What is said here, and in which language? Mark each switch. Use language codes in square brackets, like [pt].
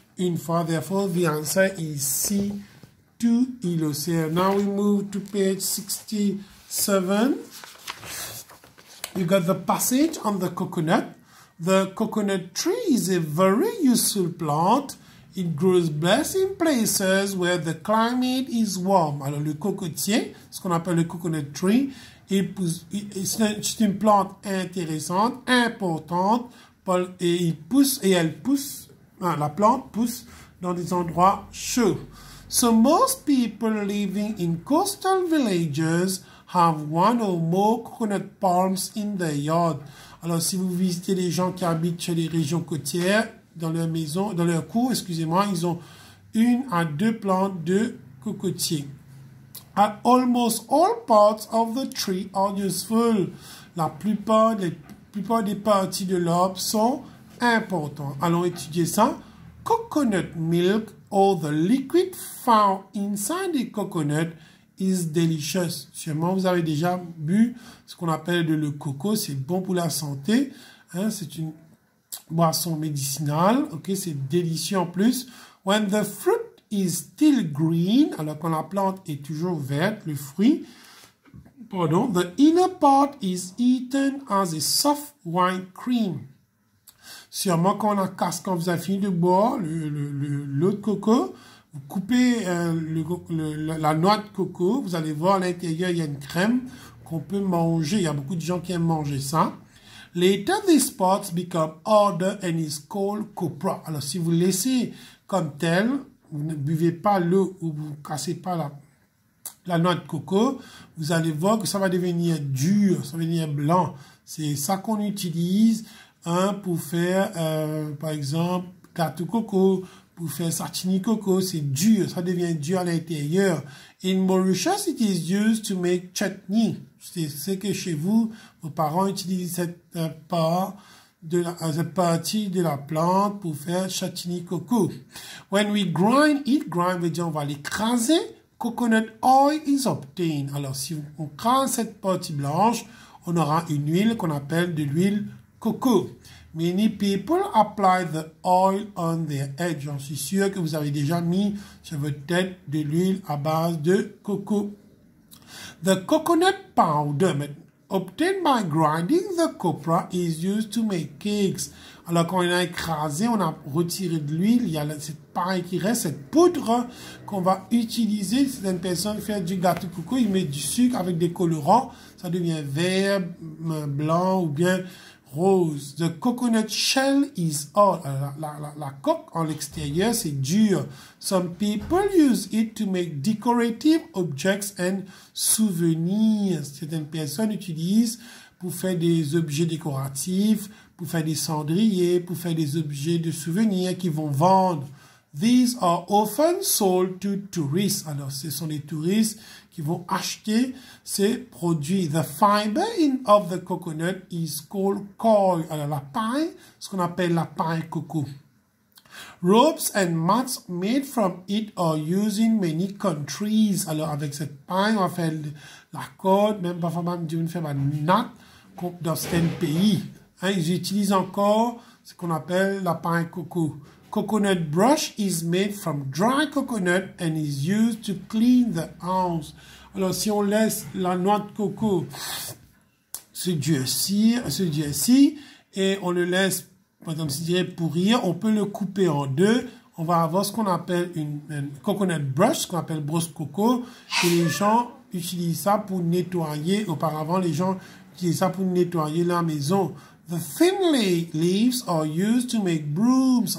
[fr] Une fois, [en] therefore, the answer is C, to Île aux Cerfs. Now we move to page 67. You got the passage on the coconut. The coconut tree is a very useful plant. It grows best in places where the climate is warm. [fr] Alors, le cocotier, ce qu'on appelle le coconut tree, c'est une plante intéressante, importante, et il pousse, et elle pousse. La plante pousse dans des endroits chauds. [en] So most people living in coastal villages have one or more coconut palms in their yard. [fr] Alors si vous visitez les gens qui habitent chez les régions côtières, dans leur maison, dans leur cour, excusez-moi, ils ont une à deux plantes de cocotier. [en] At almost all parts of the tree are useful. [fr] La plupart des parties de l'arbre sont important. Allons étudier ça. [en] Coconut milk or the liquid found inside the coconut is delicious. [fr] Sûrement, vous avez déjà bu ce qu'on appelle de le coco. C'est bon pour la santé. Hein, c'est une boisson médicinale. Ok, c'est délicieux en plus. [en] When the fruit is still green, [fr] alors quand la plante est toujours verte, le fruit, pardon, [en] the inner part is eaten as a soft white cream. [fr] Sûrement, quand on a cassé, quand vous avez fini de boire l'eau de coco, vous coupez la noix de coco, vous allez voir à l'intérieur, il y a une crème qu'on peut manger. Il y a beaucoup de gens qui aiment manger ça. [en] Later, this part becomes harder and is called copra. [fr] Alors, si vous laissez comme tel, vous ne buvez pas l'eau ou vous ne cassez pas la noix de coco, vous allez voir que ça va devenir dur, ça va devenir blanc. C'est ça qu'on utilise. Hein, pour faire, par exemple, gâteau coco, pour faire sartini coco, c'est dur, ça devient dur à l'intérieur. [en] In Mauritius, it is used to make chutney. [fr] C'est que chez vous, vos parents utilisent cette partie de la plante pour faire chutney coco. [en] When we grind it, [fr] grind veut dire on va l'écraser, [en] coconut oil is obtained. [fr] Alors, si on crase cette partie blanche, on aura une huile qu'on appelle de l'huile coco. [en] Many people apply the oil on their head. [fr] J'en suis sûr que vous avez déjà mis sur votre tête de l'huile à base de coco. [en] The coconut powder obtained by grinding the copra is used to make cakes. [fr] Alors quand on a écrasé, on a retiré de l'huile, il y a cette paille qui reste, cette poudre qu'on va utiliser. Certaines personnes font du gâteau coco, ils mettent du sucre avec des colorants, ça devient vert, blanc ou bien rose. [en] The coconut shell is hard. [fr] La coque en l'extérieur, c'est dur. [en] Some people use it to make decorative objects and souvenirs. [fr] Certaines personnes utilisent pour faire des objets décoratifs, pour faire des cendriers, pour faire des objets de souvenirs qu'ils vont vendre. [en] These are often sold to tourists. [fr] Alors, ce sont les touristes qui vont acheter ces produits. [en] The fiber in of the coconut is called coir. [fr] Alors, la paille, ce qu'on appelle la paille coco. [en] Ropes and mats made from it are used in many countries. [fr] Alors, avec cette paille, on va faire la corde, même parfois même d'une ferme à natte dans certains pays. Hein, ils utilisent encore ce qu'on appelle la paille coco. [en] Coconut brush is made from dry coconut and is used to clean the house. [fr] Alors, si on laisse la noix de coco se durcir, et on le laisse, par exemple, si je dirais pourrir, on peut le couper en deux. On va avoir ce qu'on appelle une coconut brush, ce qu'on appelle brosse coco, que les gens utilisent ça pour nettoyer. Auparavant, les gens utilisaient ça pour nettoyer la maison. [en] The thin leaves are used to make brooms.